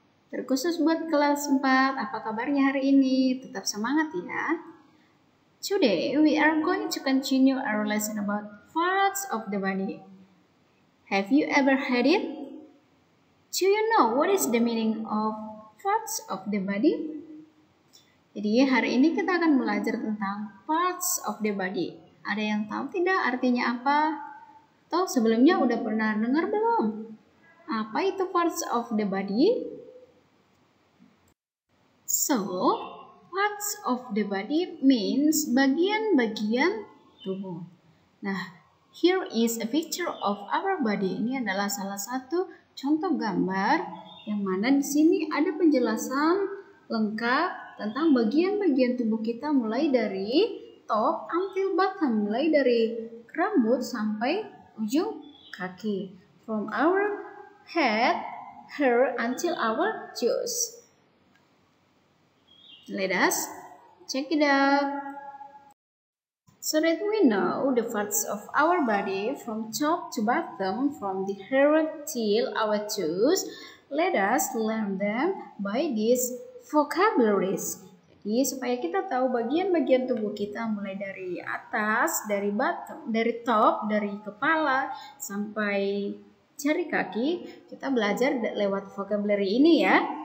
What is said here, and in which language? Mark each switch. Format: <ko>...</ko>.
<id>Terkhusus buat kelas 4, apa kabarnya hari ini? Tetap semangat ya.</id> <en>Today, we are going to continue our lesson about parts of the body. Have you ever heard it? Do you know what is the meaning of parts of the body?</en> <id>Jadi hari ini kita akan belajar tentang parts of the body. Ada yang tahu tidak artinya apa? Atau sebelumnya udah pernah dengar belum? Apa itu parts of the body?</id> <en>So, parts of the body means</en> <id>bagian-bagian tubuh.</id> <en>Nah, here is a picture of our body.</en> <id>Ini adalah salah satu contoh gambar yang mana di sini ada penjelasan lengkap tentang bagian-bagian tubuh kita mulai dari</id> <en>top until bottom,</en> <id>mulai dari rambut sampai ujung kaki.</id> <en>From our head, hair until our toes. Let us check it out. So that we know the parts of our body from top to bottom, from the hair till our toes, let us learn them by this vocabularies.</en> <id>Jadi supaya kita tahu bagian-bagian tubuh kita mulai dari atas, dari bottom, dari top, dari kepala sampai jari kaki, kita belajar lewat vocabulary ini ya.</id>